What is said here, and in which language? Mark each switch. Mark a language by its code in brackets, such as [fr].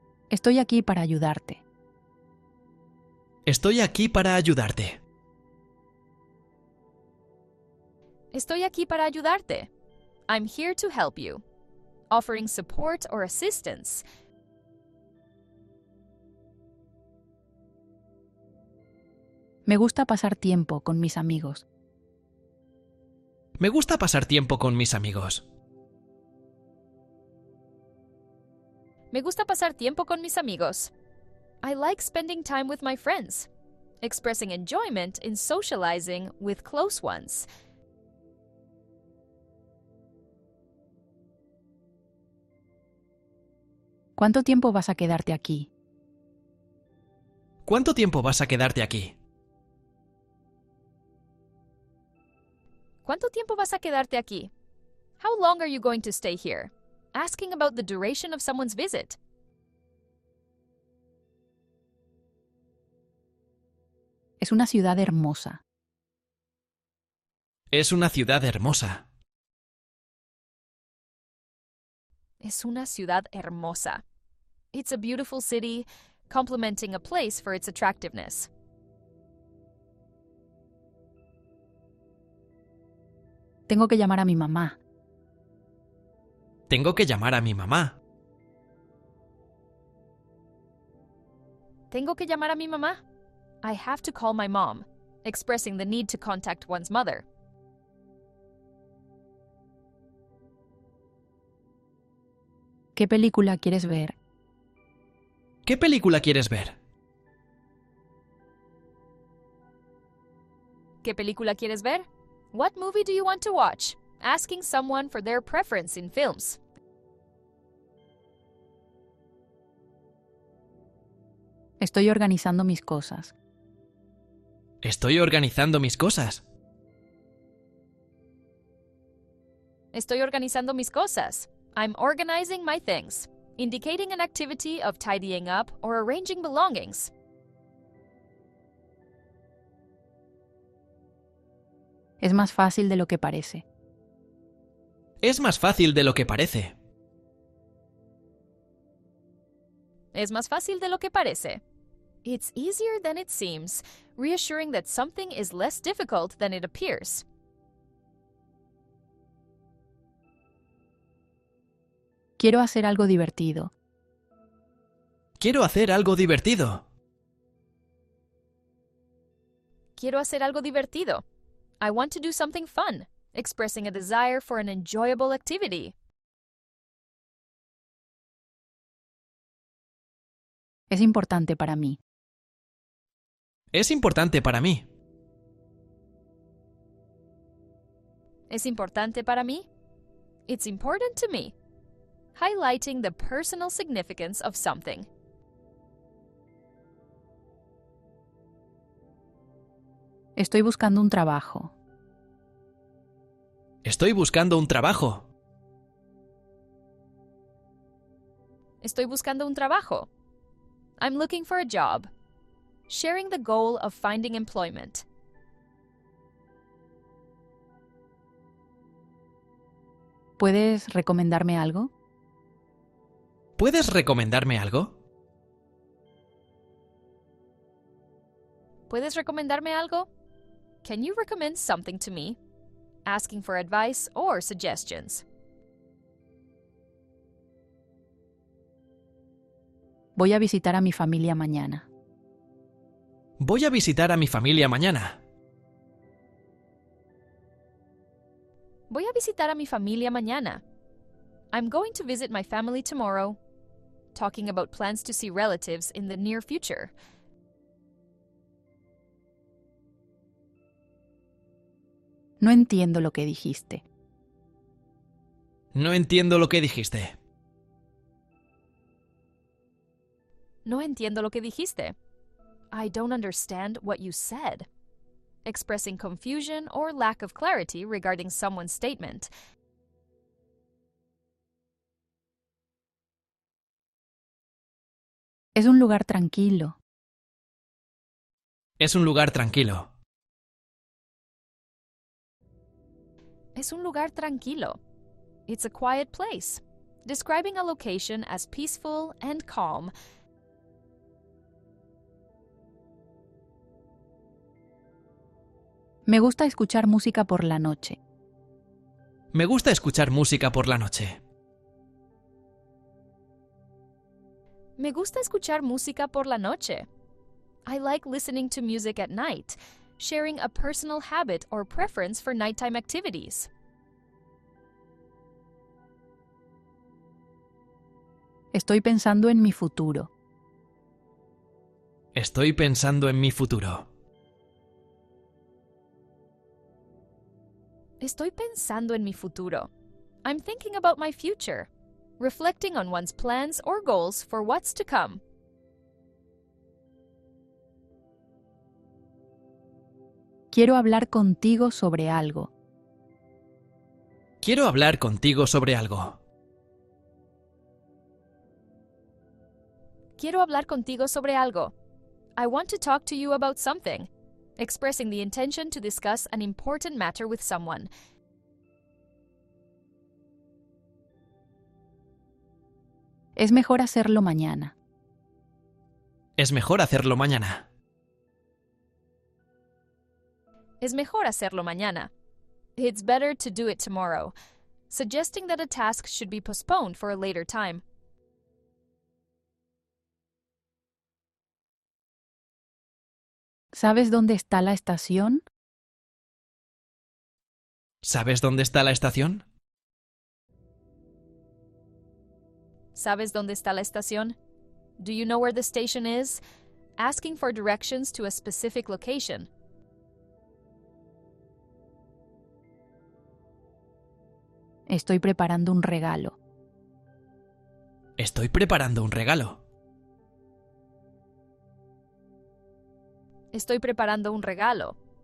[es] Estoy aquí para ayudarte. Estoy aquí para ayudarte. Estoy aquí para ayudarte. [en] I'm here to help you. Offering support or assistance. [es] Me gusta pasar tiempo con mis amigos. Me gusta pasar tiempo con mis amigos. Me gusta pasar tiempo con mis amigos. [en] I like spending time with my friends. Expressing enjoyment in socializing with close ones. [es] ¿Cuánto tiempo vas a quedarte aquí? ¿Cuánto tiempo vas a quedarte aquí? ¿Cuánto tiempo vas a quedarte aquí? [en] How long are you going to stay here? Asking about the duration of someone's visit. [es] Es una ciudad hermosa. Es una ciudad hermosa. Es una ciudad hermosa. [en] It's a beautiful city, complimenting a place for its attractiveness. [es] Tengo que llamar a mi mamá. Tengo que llamar a mi mamá. Tengo que llamar a mi mamá. [en] I have to call my mom, expressing the need to contact one's mother. [es] ¿Qué película quieres ver? ¿Qué película quieres ver? ¿Qué película quieres ver? [en] What movie do you want to watch? Asking someone for their preference in films. [es] Estoy organizando mis cosas. Estoy organizando mis cosas. Estoy organizando mis cosas. [en] I'm organizing my things. Indicating an activity of tidying up or arranging belongings. [es] Es más fácil de lo que parece. Es más fácil de lo que parece. Es más fácil de lo que parece. [en] It's easier than it seems, reassuring that something is less difficult than it appears. [es] Quiero hacer algo divertido. Quiero hacer algo divertido. Quiero hacer algo divertido. [en] I want to do something fun, expressing a desire for an enjoyable activity. [es] Es importante para mí. Es importante para mí. Es importante para mí. [en] It's important to me. Highlighting the personal significance of something. [es] Estoy buscando un trabajo. Estoy buscando un trabajo. Estoy buscando un trabajo. [en] I'm looking for a job. Sharing the goal of finding employment. [es] ¿Puedes recomendarme algo? ¿Puedes recomendarme algo? ¿Puedes recomendarme algo? [en] Can you recommend something to me? Asking for advice or suggestions. [es] Voy a visitar a mi familia mañana. Voy a visitar a mi familia mañana. Voy a visitar a mi familia mañana. [en] I'm going to visit my family tomorrow. Talking about plans to see relatives in the near future. [es] No entiendo lo que dijiste. No entiendo lo que dijiste. No entiendo lo que dijiste. [en] I don't understand what you said. Expressing confusion or lack of clarity regarding someone's statement. [es] Es un lugar tranquilo. Es un lugar tranquilo. Es un lugar tranquilo. [en] It's a quiet place. Describing a location as peaceful and calm. [es] Me gusta escuchar música por la noche. Me gusta escuchar música por la noche. Me gusta escuchar música por la noche. [en] I like listening to music at night, sharing a personal habit or preference for nighttime activities. [es] Estoy pensando en mi futuro. Estoy pensando en mi futuro. Estoy pensando en mi futuro. [en] I'm thinking about my future. Reflecting on one's plans or goals for what's to come. [es] Quiero hablar contigo sobre algo. Quiero hablar contigo sobre algo. Quiero hablar contigo sobre algo. [en] I want to talk to you about something. Expressing the intention to discuss an important matter with someone. [es] Es mejor hacerlo mañana. Es mejor hacerlo mañana. Es mejor hacerlo mañana. [en] It's better to do it tomorrow. Suggesting that a task should be postponed for a later time. [es] ¿Sabes dónde está la estación? ¿Sabes dónde está la estación? ¿Sabes dónde está la estación? [en] Do you know where the station is? Asking for directions to a specific location. [es] Estoy preparando un regalo. Estoy preparando un regalo. Estoy preparando un regalo.